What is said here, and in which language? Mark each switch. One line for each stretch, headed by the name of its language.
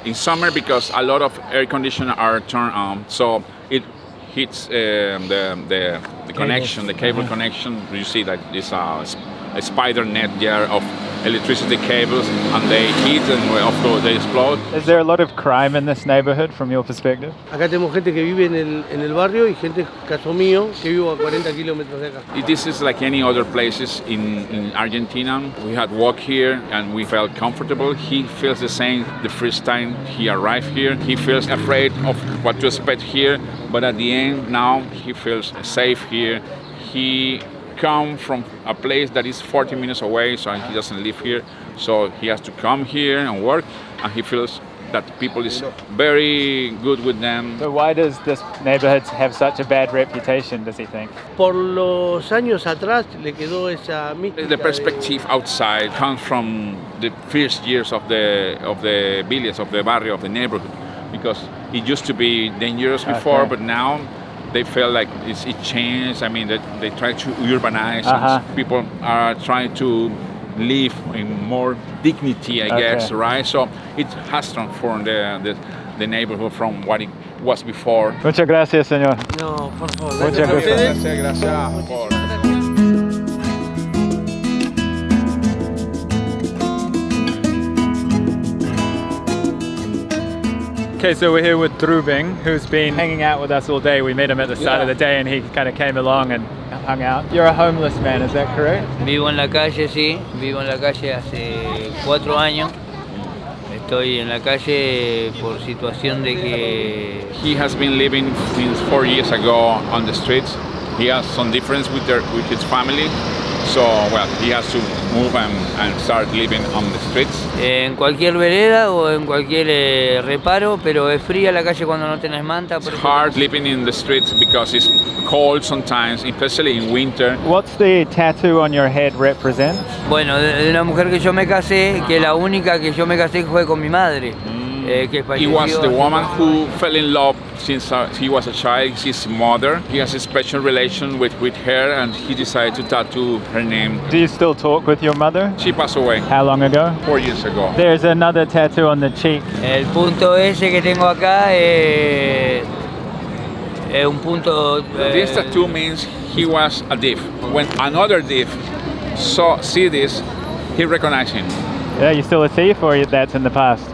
English: In summer because a lot of air conditioners are turned on, so it hits the connection, the cable connection. You see that it's a spider net there of electricity cables, and they heat and of course they explode. Is there a lot of crime in this neighborhood from your perspective?
Spanish: Acá tenemos gente que vive en el barrio y gente, caso mío, que vivo a 40 kilómetros de acá.
English: This is like any other places in Argentina. We had walked here and we felt comfortable. He feels the same the first time he arrived here. He feels afraid of what to expect here, but at the end, now he feels safe here. He come from a place that is 40 minutes away, so he doesn't live here, so he has to come here and work, and he feels that people is very good with them. So why does this neighborhood have such a bad reputation, does he think?
Spanish: Por los años atrás le quedó esa mística.
English: The perspective outside comes from the first years of the village, of the barrio, of the neighborhood, because it used to be dangerous before, okay. But now they feel like it changed. I mean, they try to urbanize. Uh-huh. And people are trying to live in more dignity, I guess, right? So it has transformed the neighborhood from what it was before.
Spanish: Muchas gracias, señor. No, por favor. Muchas gracias.
English: Okay, so we're here with Drubing, who's been hanging out with us all day. We met him at the start of the day and he kind of came along and hung out. You're a homeless man, is that correct?
Spanish: Vivo en la calle, sí. Vivo en la calle hace 4 años. Estoy en la calle por situación de que...
English: He has been living since 4 years ago on the streets. He has some difference with his family, so, well, he has to move and start living on the streets.
Spanish: En cualquier vereda o en cualquier reparo, pero es fría la calle cuando no tienes manta.
English: It's hard living in the streets because it's cold sometimes, especially in winter. What's the tattoo on your head represent?
Spanish: Bueno, de la mujer que yo me casé, que la única que yo me casé fue con mi madre.
English: He was the woman who fell in love since he was a child, his mother. He has a special relation with her and he decided to tattoo her name. Do you still talk with your mother? She passed away. How long ago? 4 years ago. There's another tattoo on the cheek.
Spanish: El punto ese que tengo acá es un punto...
English: This tattoo means he was a thief. When another thief see this, he recognized him. Yeah, you're still a thief, or that's in the past?